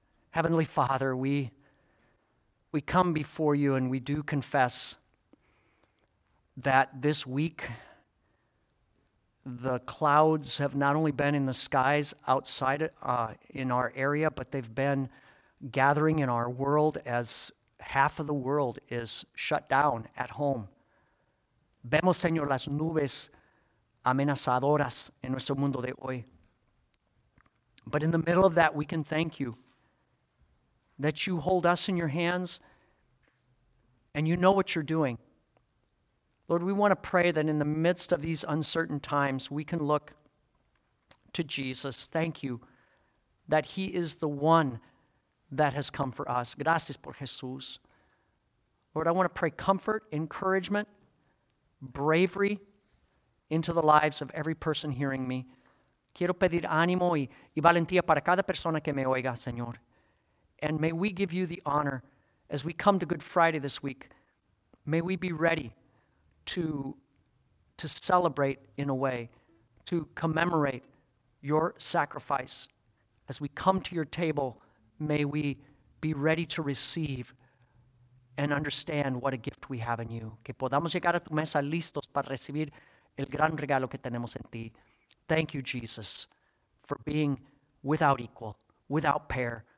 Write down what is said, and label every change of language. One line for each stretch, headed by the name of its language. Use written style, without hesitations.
English: Heavenly Father, we come before you and we do confess that this week the clouds have not only been in the skies outside in our area, but they've been gathering in our world as half of the world is shut down at home.
Spanish: Vemos, Señor, las nubes amenazadoras en nuestro mundo de hoy.
English: But in the middle of that, we can thank you that you hold us in your hands and you know what you're doing. Lord, we want to pray that in the midst of these uncertain times, we can look to Jesus. Thank you that he is the one that has come for us.
Spanish: Gracias por Jesús.
English: Lord, I want to pray comfort, encouragement, bravery into the lives of every person hearing me.
Spanish: Quiero pedir ánimo y valentía para cada persona que me oiga, Señor.
English: And may we give you the honor as we come to Good Friday this week. May we be ready to celebrate in a way, to commemorate your sacrifice. As we come to your table, may we be ready to receive and understand what a gift we have in you.
Spanish: Que podamos llegar a tu mesa listos para recibir el gran regalo que tenemos en ti.
English: Thank you, Jesus, for being without equal, without pair.